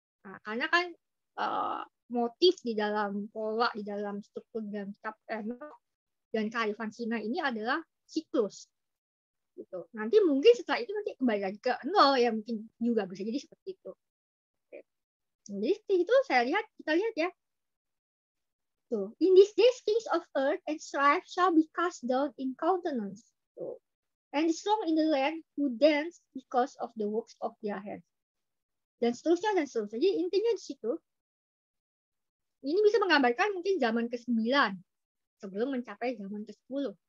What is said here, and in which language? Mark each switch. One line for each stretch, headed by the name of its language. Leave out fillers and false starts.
Indonesian: Nah, karena kan motif di dalam pola, di dalam struktur, dan setiap Enoch dan kearifan Sinai ini adalah siklus. Gitu. Nanti mungkin setelah itu nanti kembali lagi ke nol, ya mungkin juga bisa jadi seperti itu. Jadi itu saya lihat, kita lihat ya.
English: So, in these days, kings of earth and strife shall be cast down in countenance. So, and the strong in the land who dance because of the works of their hands.
Indonesian: Dan seterusnya. Jadi intinya di situ, ini bisa menggambarkan mungkin zaman ke-9 sebelum mencapai zaman ke-10.